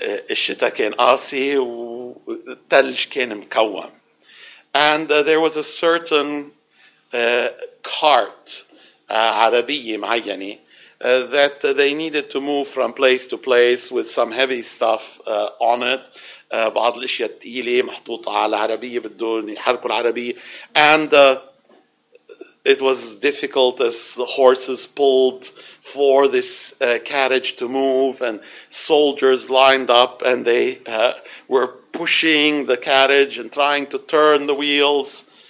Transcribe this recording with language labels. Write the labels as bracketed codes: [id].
[ar] الشتاء كان قاسي والتلج كان مكوم. [en] And there was a certain cart, [ar] عربية معينة, [en] that they needed to move from place to place with some heavy stuff on it. [ar] بعض الأشياء التقيلة محطوطة على العربية بدون يحركوا العربية. [en] And it was difficult as the horses pulled for this carriage to move, and soldiers lined up and they were pushing the carriage and trying to turn the wheels.